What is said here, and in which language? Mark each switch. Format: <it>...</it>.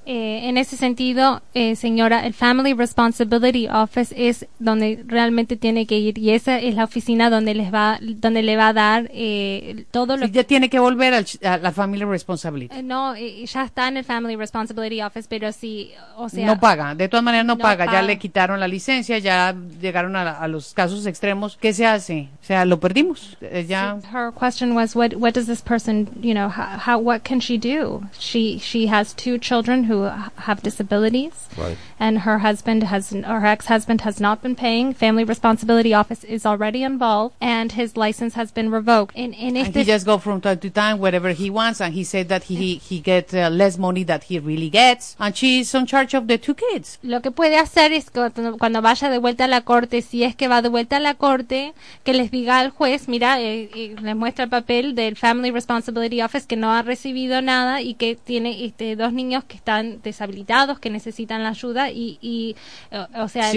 <es>En ese sentido, señora, el Family Responsibility Office es donde realmente tiene que ir, y esa es la oficina donde le va a dar todo lo que... ¿Ya tiene que volver a la Family Responsibility? Ya está en el Family Responsibility Office, pero sí, o sea... No paga, de todas maneras no paga, ya le quitaron la licencia, ya llegaron a los casos extremos. ¿Qué se hace? O sea, lo perdimos. Ya.</es> <en>Her question was, what does this person, you know, how what can she do? She has two children who have disabilities. Right. And her ex-husband has not been paying. Family Responsibility Office is already involved, and his license has been revoked. And he just go from time to time, whatever he wants, and he said that he gets less money that he really gets, and she's in charge of the two kids.</en> <es>Lo que puede hacer es cuando vaya de vuelta a la corte, si es que va de vuelta a la corte, que les diga al juez, mira, les muestra el papel del Family Responsibility Office, que no ha recibido nada y que tiene dos niños que están deshabilitados, que necesitan la ayuda y o sea...</es>